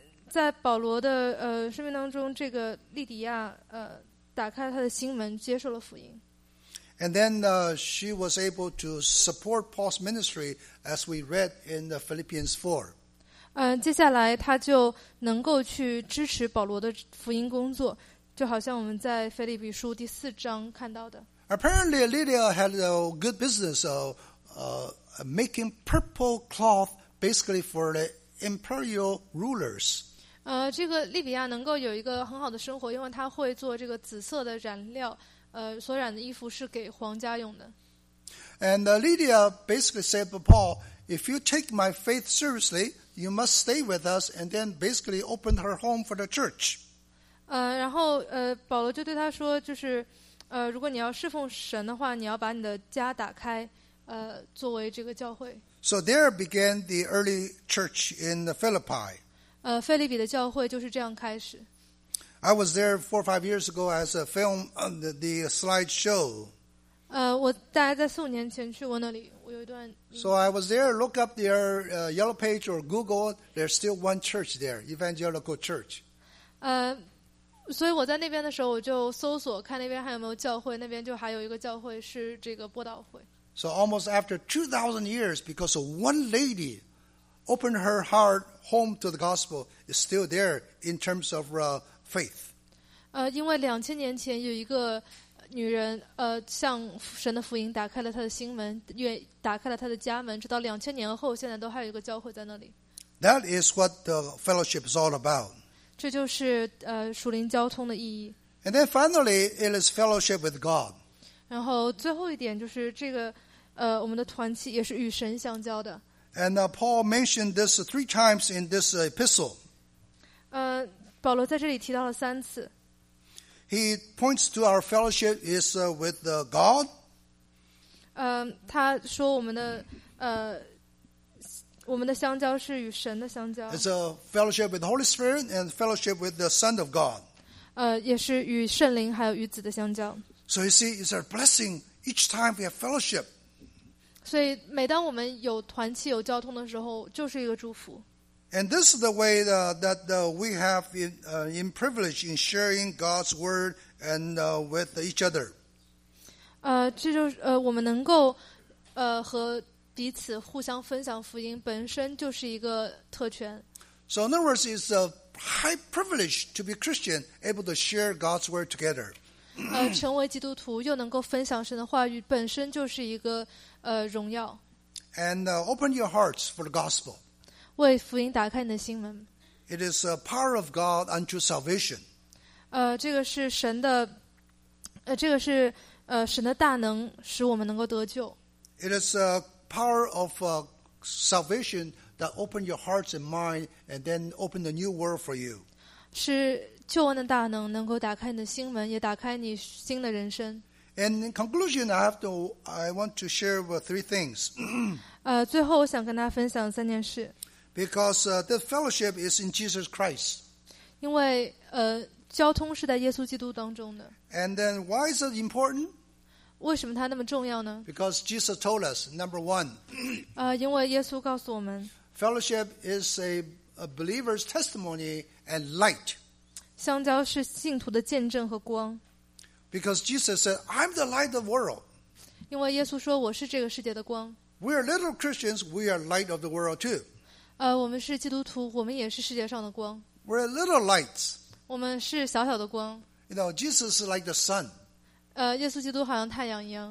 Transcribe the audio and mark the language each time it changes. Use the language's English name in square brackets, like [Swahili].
[Chinese] 在保罗的生命当中，这个莉迪亚打开她的心门，接受了福音。 [English] And then she was able to support Paul's ministry as we read in the Philippians 4. [Chinese] 接下来她就能够去支持保罗的福音工作，就好像我们在腓立比书第四章看到的。 [English] Apparently, Lydia had a good business of making purple cloth basically for the imperial rulers. [Chinese] 这个莉比亚能够有一个很好的生活，因为她会做这个紫色的染料，所染的衣服是给皇家用的。 [English] And Lydia basically said to Paul, if you take my faith seriously, you must stay with us, and then basically opened her home for the church. [Chinese] 然后保罗就对她说，就是如果你要侍奉神的话，你要把你的家打开，作为这个教会。 [English] So there began the early church in the Philippi. [Chinese] 腓立比的教会就是这样开始。 [English] I was there 4 or 5 years ago as a film the slideshow. [Chinese] 我大概在4年前去过那里，我有一段。 [English] So I was there. Look up their yellow page or Google. There's still one church there, Evangelical Church. [Chinese] 所以我在那边的时候，我就搜索看那边还有没有教会，那边就还有一个教会是这个播道会。 [English] So almost after 2,000 years, because of one lady opened her heart home to the gospel, is still there in terms of faith. [Chinese] 因为2000年前有一个女人向神的福音打开了她的心门，也打开了她的家门，直到2000年后，现在都还有一个教会在那里。 [English] That is what the fellowship is all about. [Chinese] 这就是属灵交通的意义。 [English] And then finally, it is fellowship with God. [Chinese] 然后最后一点就是这个我们的团契也是与神相交的。 [English] And Paul mentioned this 3 times in this epistle. [Chinese] 保罗在这里提到了三次。 [English] He points to our fellowship is with God. [Chinese] 他说我们的相交是与神的相交。 [English] It's a fellowship with the Holy Spirit and fellowship with the Son of God. [Chinese] 也是与圣灵还有与子的相交。 [English] So you see, it's a blessing each time we have fellowship. [Chinese] 所以每当我们有团契、有交通的时候，就是一个祝福。 [English] And this is the way that we have in privilege in sharing God's word and with each other. [Chinese] 这就是我们能够和彼此互相分享福音，本身就是一个特权。 [English] So in other words, it's a high privilege to be Christian, able to share God's word together. [Chinese] 成为基督徒又能够分享神的话语，本身就是一个荣耀。 [English] And open your hearts for the gospel. [Chinese] 为福音打开你的心门。 [English] It is a power of God unto salvation. [Chinese] 这个是神的，这个是神的大能，使我们能够得救。 [English] It is a power of salvation that open your hearts and mind, and then open the new world for you. [Chinese] 是。救恩的大能能够打开你的心门，也打开你新的人生。 [English] And in conclusion, I want to share with 3 things. [Chinese] 最后我想跟大家分享三件事。 [English] Because the fellowship is in Jesus Christ. [Chinese] 因为交通是在耶稣基督当中的。 [English] And then why is it important? [Chinese] 为什么它那么重要呢？ [English] Because Jesus told us, number one. [Chinese] 因为耶稣告诉我们。 [English] Fellowship is a believer's testimony and light. [Chinese] 相交是信徒的见证和光。 [English] Because Jesus said, I'm the light of the world. [Chinese] 因为耶稣说我是这个世界的光。 [English] We are little Christians, we are light of the world too. [Chinese] 我们是基督徒，我们也是世界上的光。 [English] We're little lights. [Chinese] 我们是小小的光。 [English] You know, Jesus is like the sun. [Chinese] 耶稣基督好像太阳一样。